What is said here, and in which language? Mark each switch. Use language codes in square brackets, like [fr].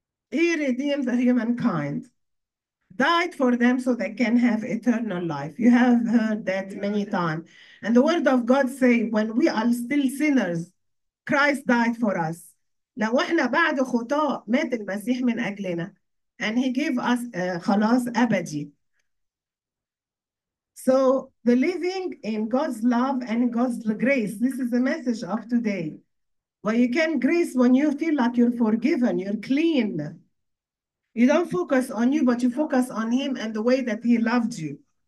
[en] He redeemed the humankind, died for them so they can have eternal life. You have heard that many times. And the word of God say, when we are still sinners, Christ died for us. [ar] لو احنا بعد خطاه مات المسيح من اجلنا. [en] And he gave us [ar] خلاص ابدي. [en] So the living in God's love and God's grace, this is the message of today. Well, you can grace when you feel like you're forgiven, you're clean. You don't focus on you, but you focus on him and the way that he loved you.